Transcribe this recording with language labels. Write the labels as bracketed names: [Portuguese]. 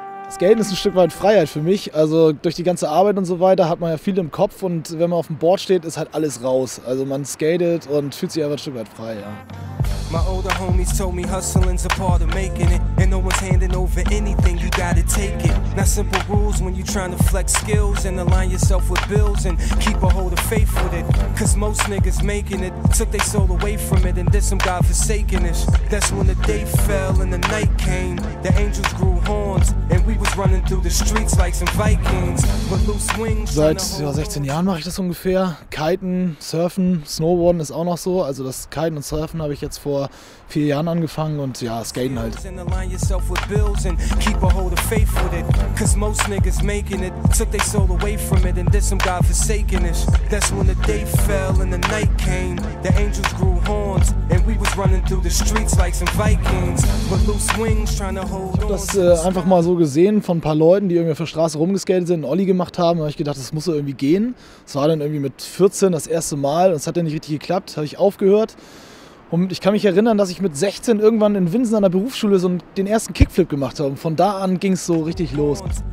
[German] Skaten ist ein Stück weit Freiheit für mich. Also durch die ganze Arbeit und so weiter hat man ja viel im Kopf und wenn man auf dem Board steht, ist halt alles raus. Also man skatet und fühlt sich einfach ein Stück weit frei, ja. [English] My older homies told me hustling's a part of making it. And no one's handing over anything, you gotta take it. Not simple rules when you're trying to flex skills and align yourself with bills and keep a hold of faith with it. Cause most niggas making it took their soul away from it and did some godforsakenness. That's when the day fell and the night came. The angels grew horns and we was running through the streets like some Vikings. But loose wings. [German] Seit 16 Jahren mache ich das ungefähr. Kiten, Surfen, Snowboarden ist auch noch so. Also das Kiten und Surfen habe ich jetzt vor 4 Jahren angefangen und ja, skaten halt. [English] And align yourself with bills and keep a hold of faith with it. Cause most niggas making it took their soul away from it and did some godforsakenness. That's when the day fell and the night came. The angels grew horns and we was running through the streets like some Vikings. With loose wings trying to hold on. [German] Das einfach mal so gesehen von ein paar Leuten, die irgendwie auf der Straße rumgeskatet sind und Olli gemacht haben, habe ich gedacht, das muss ja irgendwie gehen. Das war dann irgendwie mit 14 das erste Mal und es hat ja nicht richtig geklappt, habe ich aufgehört. Und ich kann mich erinnern, dass ich mit 16 irgendwann in Winsen an der Berufsschule so den ersten Kickflip gemacht habe. Und von da an ging es so richtig los.